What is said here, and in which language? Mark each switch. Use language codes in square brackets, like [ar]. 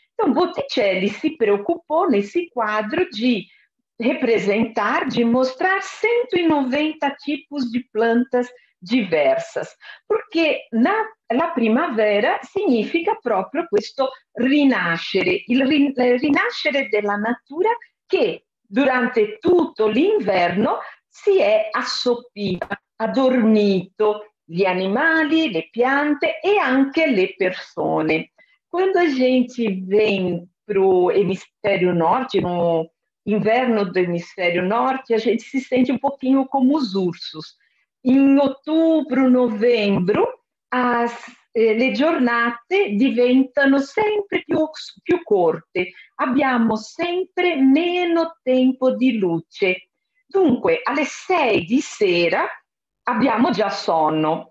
[it] Então, Botticelli si preoccupò [pt] nesse quadro [it] di rappresentare, di mostrare 190 tipi di plantas diverse, perché la primavera significa proprio questo rinascere, il rinascere della natura che durante tutto l'inverno si è assopita, addormito gli animali, le piante e anche le persone. [pt] Quando a gente vem pro emisfério norte, no inverno do emisfério norte, a gente [it] si sente un pochino come [pt] os ursos. [it] In [pt] outubro, novembro, [it] le giornate diventano sempre più corte. Abbiamo sempre meno tempo di luce. Dunque, alle 6 di sera abbiamo già sonno.